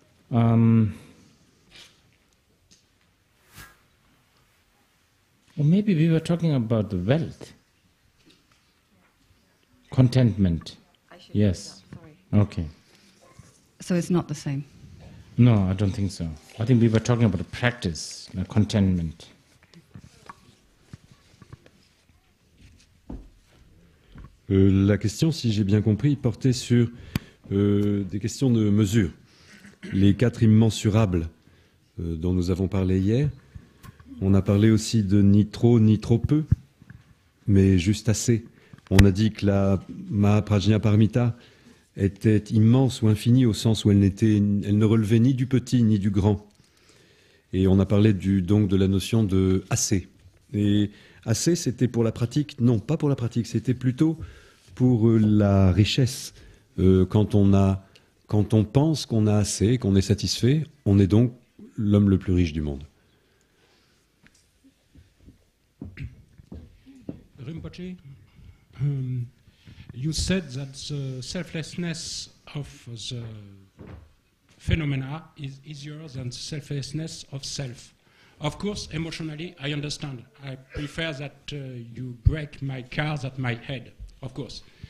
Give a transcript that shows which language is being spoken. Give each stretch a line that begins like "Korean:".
English: Or maybe we were talking about the wealth. Contentment. Yes. Okay. So it's not the same? No, I don't think so. I think we were talking about the practice, the contentment.
French: La question, si j'ai bien compris, portait sur des questions de mesure. Les quatre immensurables dont nous avons parlé hier, on a parlé aussi de ni trop ni trop peu, mais juste assez. On a dit que la Mahaprajnaparamita était immense ou infinie au sens où elle ne relevait ni du petit ni du grand. Et on a parlé donc de la notion de assez. Et assez, c'était pour la pratique, non, pas pour la pratique, c'était plutôt... pour la richesse, quand on pense qu'on a assez, qu'on est satisfait, on est donc l'homme le plus riche du monde.
English: Rinpoche, you said that the selflessness of the phenomena is easier than the selflessness of self. Of course, emotionally, I understand. I prefer that you break my car than my head, of course.